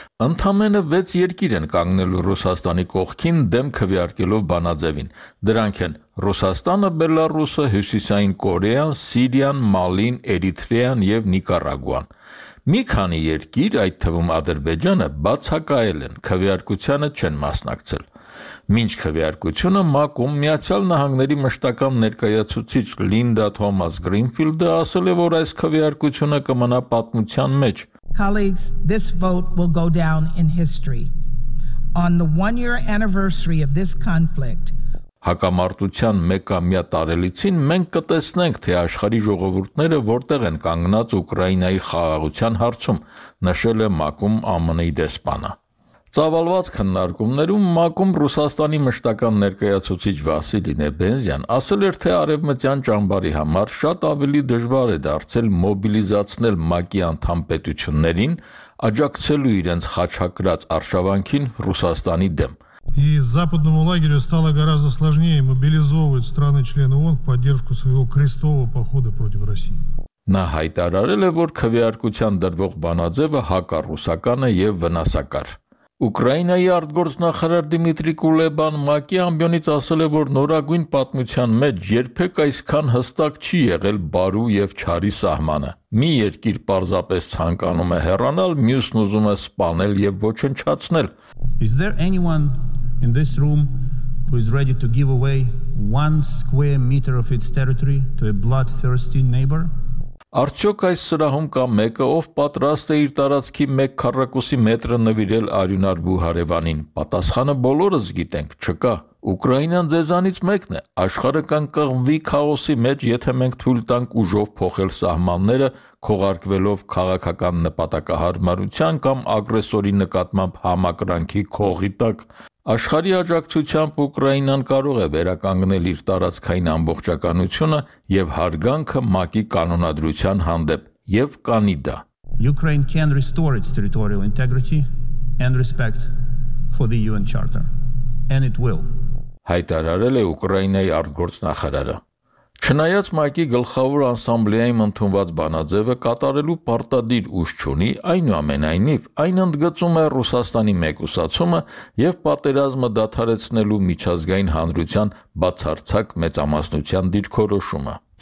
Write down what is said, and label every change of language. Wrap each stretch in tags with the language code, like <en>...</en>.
<hy>ընդամենը 6 երկիր են կանգնելու Ռուսաստանի կողքին դեմ քվեարկելով բանաձևին, դրանք են Ռուսաստանը, Բելարուսը, Հյուսիսային Կորեան, Սիրիան, Մալին, Էրիթրեան և Նիկարագուան։ Մի քանի երկիր, այդ թվում Ադրբեջանը, բացակայել են, քվեարկությանը չեն մասնակցել։ Մինչ քվեարկությունը ՄԱԿ-ում Միացյալ Նահանգների մշտական ներկայացուցիչ Լինդա Թոմաս Գրինֆիլդը ասել է, որ այս քվեարկությունը կմնա պատմության մեջ,</hy> <en>Colleagues, this vote will go down in history. On the one-year anniversary of this conflict,</en> <hy>Հակամարտության մեկամյա տարելիցին մենք կտեսնենք, թե աշխարհի ժողովուրդները որտեղ են կանգնած Ուկրաինայի խաղաղության հարցում, նշել է ՄԱԿ-ում ԱՄՆ-ի դեսպանը։ Ծավալված քննարկումներում ՄԱԿ-ում Ռուսաստանի մշտական ներկայացուցիչ Վասիլի Նեբենզյան ասել էր, թե արևմտյան ճամբարի համար շատ ավելի դժվար է դարձել մոբիլիզացնել ՄԱԿ-ի անդամ պետություններին, աջակցելու իրենց խաչակրած արշավանքին Ռուսաստանի դեմ։</hy> <ru>И западному лагерю стало гораздо сложнее мобилизовывать страны-члены ООН в поддержку своего крестового похода против России.</ru> <hy>Նա հայտարարել է, որ քվեարկության դրվող բանաձևը հակառուսական է եւ վնասակար։ Ուկրաինայի արտգործնախարար Դիմիտրի Կուլեբան ՄԱԿ-ի ամբիոնից ասել է, որ նորագույն պատմության մեջ երբեք այսքան հստակ չի եղել բարու եւ չարի սահմանը։ Մի երկիր պարզապես ցանկանում է հեռանալ, մյուսն ուզում է սպանել եւ ոչնչացնել։</hy> <en>Is there anyone in this room who is ready to give away one square meter of its territory to a bloodthirsty neighbor?</en> <hy>Արդյոք այս սրահում կա մեկը, ով պատրաստ է իր տարածքի 1 քառակուսի մետրը նվիրել Արյունարբու հարևանին։ Պատասխանը բոլորս գիտենք, չկա։ Ուկրաինան ձեզանից մեկն է։ Աշխարհը կանկղվի քաոսի մեջ, եթե մենք թույլ տանք ուժով փոխել սահմանները, քողարկվելով քաղաքական նպատակահարմարության կամ ագրեսորի նկատմամբ համակրանքի քողի տակ։ Աշխարհի աջակցությամբ Ուկրաինան կարող է վերականգնել իր տարածքային ամբողջականությունը եւ հարգանքը ՄԱԿ-ի կանոնադրության հանդեպ եւ կանի դա։</hy> <en>Ukraine can restore its territorial integrity and respect for the UN Charter and it will։</en> <hy>Հայտարարել է Ուկրաինայի արտգործնախարարը։ Չնայած ՄԱԿ-ի գլխավոր ասամբլեայի ընդունված բանաձևը կատարելու պարտադիր ուժ չունի, այնուամենայնիվ այն ընդգծում է Ռուսաստանի մեկուսացումը եւ պատերազմը դադարեցնելու միջազգային հանրության բացարձակ մեծամասնության դիրքորոշումը։</hy>